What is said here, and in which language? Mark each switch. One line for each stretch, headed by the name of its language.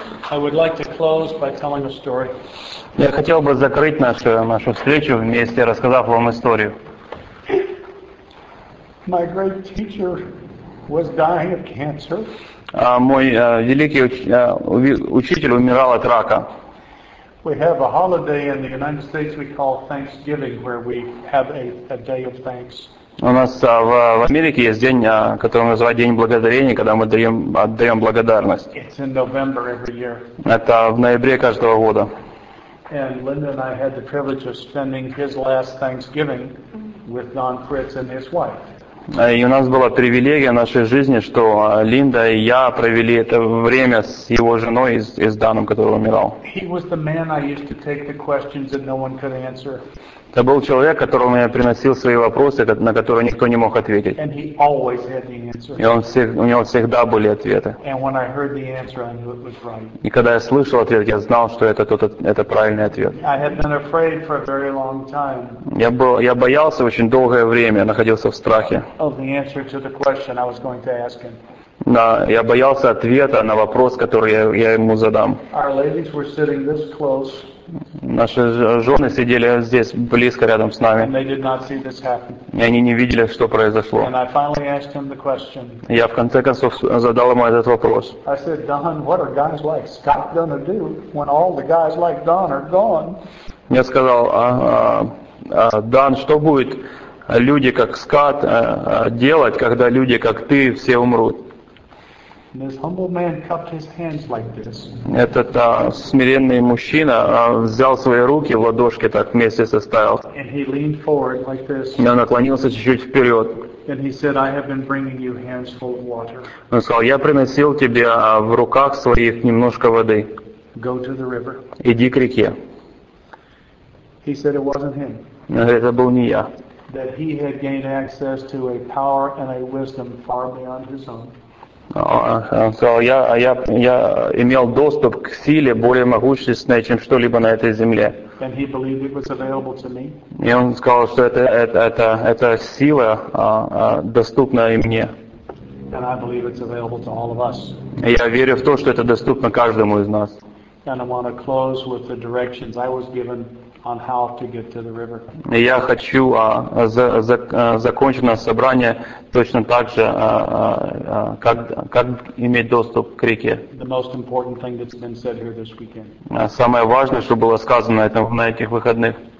English: I would like to close by telling a story.
Russian: Я хотел бы закрыть нашу встречу вместе, рассказав вам историю.
English: My great teacher was dying of cancer.
Russian: Мой великий учитель умирал от рака.
English: We have a holiday in the United States we call Thanksgiving, where we have a day of thanks.
Russian: У нас в Америке есть день, который называют День Благодарения, когда мы отдаем благодарность.
English: It's in November every year.
Russian: Это в ноябре каждого года.
English: And Linda and I had the privilege of spending his last Thanksgiving with Don Fritz and his wife.
Russian: И у нас была привилегия в нашей жизни, что Линда и я провели это время с его женой и с Даном, который умирал.
English: He was the man I used to take the questions that no one could answer.
Russian: Это был человек, которому я приносил свои вопросы, на которые никто не мог ответить.
English: And he always had the answer.
Russian: И у него всегда были ответы.
English: And when I heard the answer, I knew it was right.
Russian: И когда я слышал ответ, я знал, что это правильный ответ.
English: I had been afraid for a very long time.
Russian: Я боялся очень долгое время, находился в страхе.
English: Of the answer to the question I was going to ask him.
Russian: Да, я боялся ответа на вопрос, который я ему задам.
English: Our ladies were sitting this close.
Russian: Наши жены сидели здесь близко рядом с нами.
English: And they did not see this happen.
Russian: И они не видели, что произошло.
English: And I finally asked him the question.
Russian: Я в конце концов задал ему этот вопрос.
English: I said, Don, what are guys like Scott gonna do when all the guys like Don are gone?
Russian: Я сказал, Дан, что будет люди как Скотт делать, когда люди как ты все умрут?
English: This humble man cupped his hands like this.
Russian: Этот смиренный мужчина взял свои руки в ладошки так вместе составил.
English: And he leaned forward like this.
Russian: И он наклонился чуть-чуть вперед.
English: And he said, I have been bringing you hands full of water.
Russian: Он сказал, я приносил тебе в руках своих немножко воды.
English: Go to the river.
Russian: Иди к реке.
English: He said it wasn't him.
Russian: Это был не я.
English: That he had gained access to a power and a wisdom far beyond his own.
Russian: Он сказал, я имел доступ к силе более могущественной, чем что-либо на этой земле.
English: And he believed it was available to me.
Russian: И он сказал, что эта сила доступна и мне.
English: And I believe it's available to all of us.
Russian: И я верю в то, что это доступно каждому из нас.
English: And I want to close with the directions I was given on how to get to the river.
Russian: Я хочу закончить наше собрание точно так же, как иметь доступ к реке.
English: The most important thing that's been said here this weekend.
Russian: Самое важное, что было сказано на этих выходных.